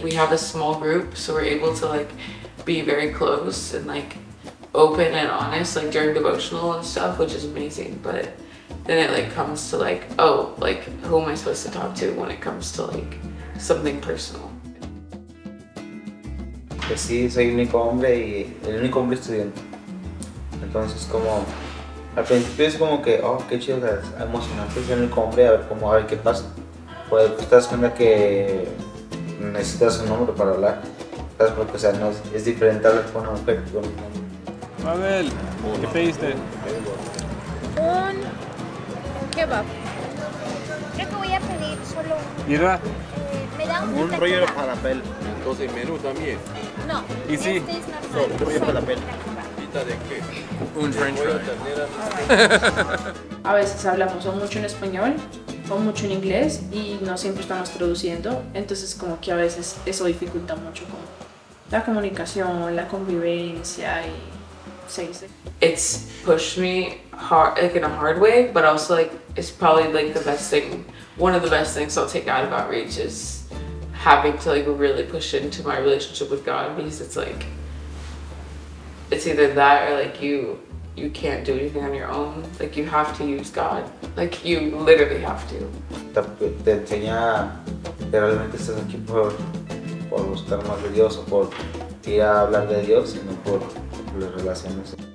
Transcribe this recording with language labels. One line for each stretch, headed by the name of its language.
English: We have a small group, so we're able to like be very close and like open and honest like during devotional and stuff, which is amazing. But then it like comes to like, oh, like who am I supposed to talk to when it comes to like something personal?
Spanish: Pues sí, soy el único hombre y el único hombre estudiante. Entonces, como al principio es como que, oh, qué chido, es emocionante ser el único hombre, a ver qué pasa. Pues te das cuenta que necesitas un hombre para hablar. ¿Sabes? Porque, o sea, no es diferente hablar con una mujer que con un hombre. Mabel, ¿qué pediste? Un kebab. Creo que voy a pedir solo uno. ¿Ira? Me da un rollo de falafel. Entonces, menú también. No, ¿y sí? Un
English: French fry.
Spanish: A veces hablamos o mucho en español o mucho en inglés y no siempre estamos traduciendo, entonces como que a veces eso dificulta mucho como la comunicación, la convivencia y seguirse.
English: It's pushed me hard, like in a hard way, but also like it's probably like the best thing, one of the best things I'll take out of outreach is having to like really push into my relationship with God, because it's like it's either that or like you can't do anything on your own. Like you have to use God. Like you literally have to.
Spanish: Te enseña que realmente estás aquí por buscar más de Dios o por ir a hablar de Dios y no por las relaciones.